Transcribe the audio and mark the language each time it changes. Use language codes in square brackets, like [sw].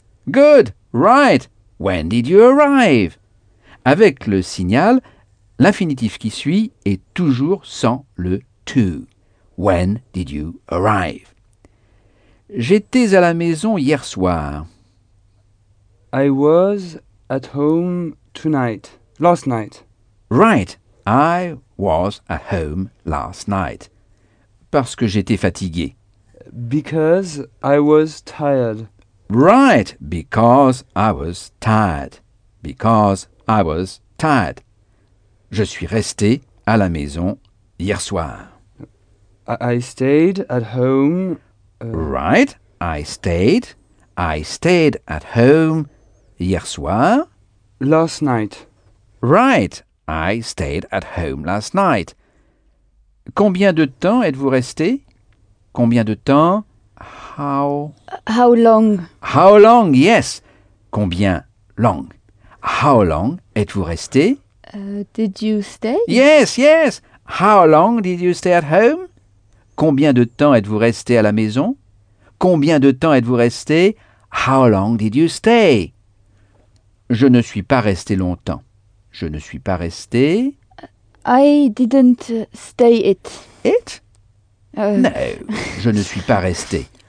[en] Good, right. When did you arrive? [fr] Avec le signal, l'infinitif qui suit est toujours sans le to. [en] When did you arrive? [fr] J'étais à la maison hier soir. [en] I was at home tonight, last night. Right, I was at home last night. [fr] Parce que j'étais fatigué. [en] Because I was tired. Right, because I was tired. Because I was tired. [fr] Je suis resté à la maison hier soir. [en] I stayed at home. Right, I stayed. I stayed at home [fr] hier soir. [en] Last night. Right, I stayed at home last night. [fr] Combien de temps êtes-vous resté? Combien de temps? [en] How? How long? How long, yes. [fr] Combien long? [en] How long [fr] êtes-vous resté? [en] Did you stay? Yes, yes. How long did you stay at home? [fr] Combien de temps êtes-vous resté à la maison? Combien de temps êtes-vous resté? [en] How long did you stay? [fr] Je ne suis pas resté longtemps. Je ne suis pas resté... [en] I didn't stay it. It? No, [fr] je ne suis pas resté.